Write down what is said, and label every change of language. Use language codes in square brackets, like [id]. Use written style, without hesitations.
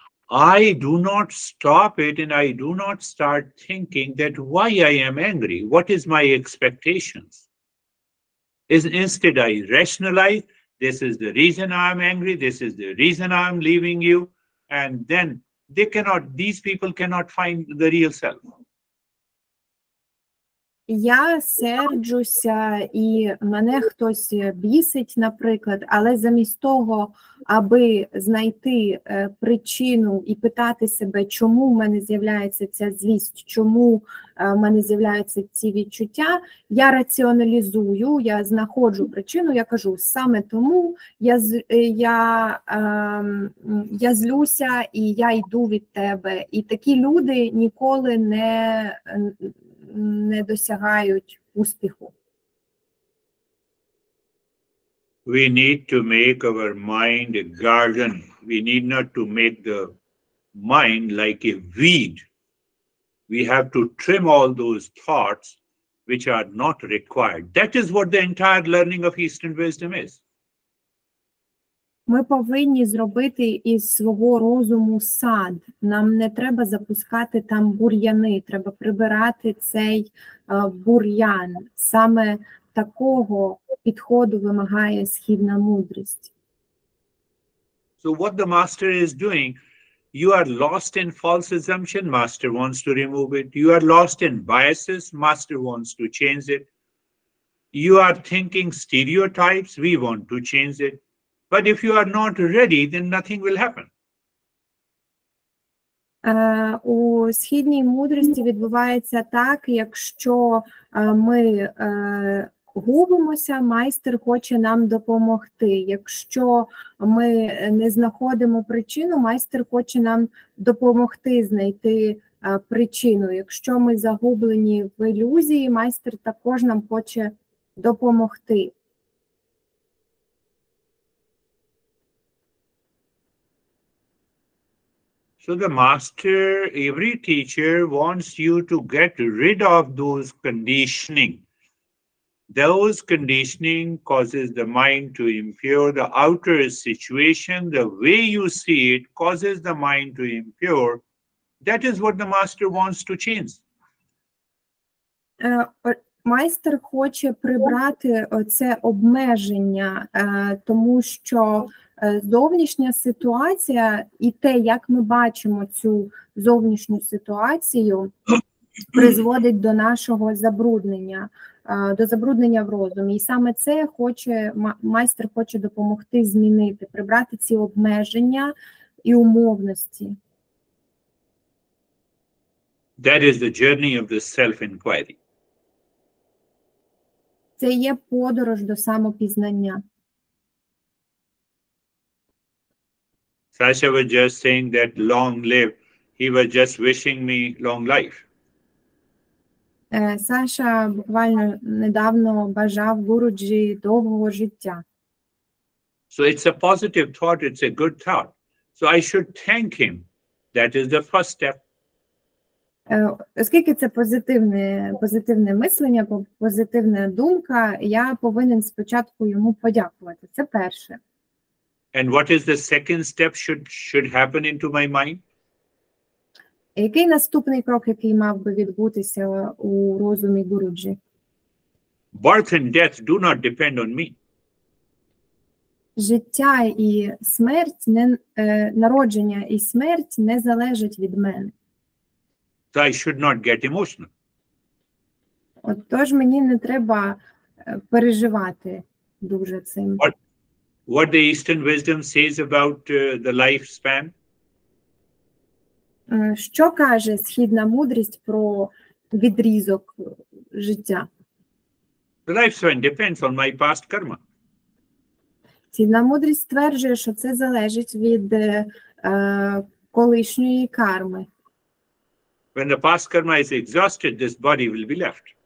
[en] I do not stop it and I do not start thinking that why I am angry, what is my expectations? Instead, I rationalize, this is the reason I am angry, this is the reason I am leaving you, and then these people cannot find the real self. [uk] Я серджуся і мене хтось бісить, наприклад, але замість того, аби знайти причину і питати себе, чому в мене з'являється ця злість, чому в мене з'являються ці відчуття, я раціоналізую, я знаходжу причину, я кажу, саме тому я злюся і я йду від тебе. І такі люди ніколи не досягають успіху. [en] We need to make our mind a garden. We need not to make the mind like a weed. We have to trim all those thoughts which are not required. That is what the entire learning of Eastern wisdom is. [uk] Ми повинні зробити із свого розуму сад. Нам не треба запускати там бур'яни, треба прибирати цей бур'ян. Саме такого підходу вимагає східна мудрість. [en] So what the master is doing, you are lost in false assumption, master wants to remove it. You are lost in biases, master wants to change it. You are thinking stereotypes, we want to change it. But if you are not ready, then nothing will happen. [uk] У східній мудрості відбувається так, якщо ми губимося, майстер хоче нам допомогти. Якщо ми не знаходимо причину, майстер хоче нам допомогти знайти причину. Якщо ми загублені в ілюзії, майстер також нам хоче допомогти. [en] So the master, every teacher wants you to get rid of those conditioning. Those conditioning causes the mind to impure. The outer situation, the way you see it, causes the mind to impure. That is what the master wants to change. [uk] майстер хоче прибрати це обмеження, тому що зовнішня ситуація і те, як ми бачимо цю зовнішню ситуацію, призводить до нашого забруднення, до забруднення в розумі. І саме це хоче майстер хоче допомогти змінити, прибрати ці обмеження і умовності. [en] That is the journey of the self-inquiry. [uk] Це є подорож до самопізнання. [en] Sasha was just saying that long live. He was just wishing me long life. [uk] Саша буквально недавно бажав Гуруджі довгого життя. [en] So it's a positive thought, it's a good thought. So I should thank him. That is the first step. [uk] Оскільки це позитивне мислення, позитивна думка, я повинен спочатку йому подякувати. Це перше. [en] And what is the second step should happen into my mind? [uk] Який наступний крок, який мав би відбутися у розумі Гуруджі? [en] Birth and death do not depend on me. [uk] Життя і смерть, народження і смерть не залежать від мене. [en] So I should not get emotional. [uk] Отож, мені не треба переживати дуже цим. [en] What the Eastern wisdom says about the lifespan? [uk] Що каже східна мудрість про відрізок життя? [en] The lifespan depends on my past karma. [uk] Східна мудрість стверджує, що це залежить від колишньої карми. [en] When the past karma is exhausted, this body will be left.